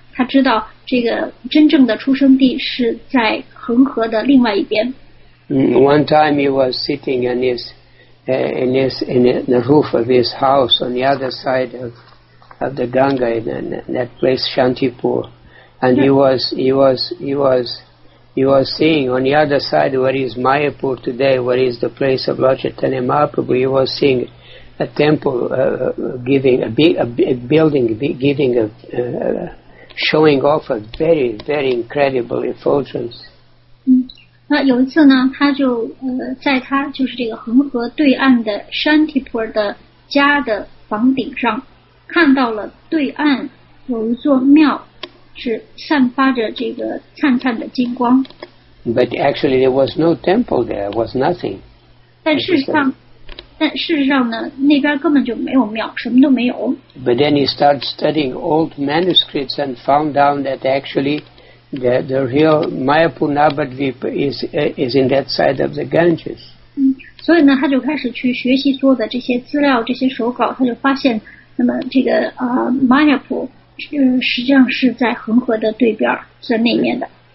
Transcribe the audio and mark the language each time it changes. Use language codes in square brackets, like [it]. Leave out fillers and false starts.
[zh] 他知道这个真正的出生地是在恒河的另外一边。 [en] One time he was sitting in the roof of his house on the other side of the Ganga in that place Shantipur, and he was seeing on the other side where is Mayapur today, where is the place of Lord Chaitanya Mahaprabhu. He was seeing a temple showing off a very very incredible effulgence. [zh] 那有一次呢，他就在他就是这个恒河对岸的 Shantipur 的家的房顶上，看到了对岸有一座庙，是散发着这个灿灿的金光。 [en] But actually, there was no temple there. Was nothing. [zh] 但事实上呢，那边根本就没有庙，什么都没有。 [en] But then he started studying old manuscripts and found out that actually. The real Mayapur Navadvipa is in that side of the Ganges. [zh] 所以呢，他就开始去学习所有的这些资料、这些手稿，他就发现，那么这个Mayapur 实际上是在恒河的对边，在那面的。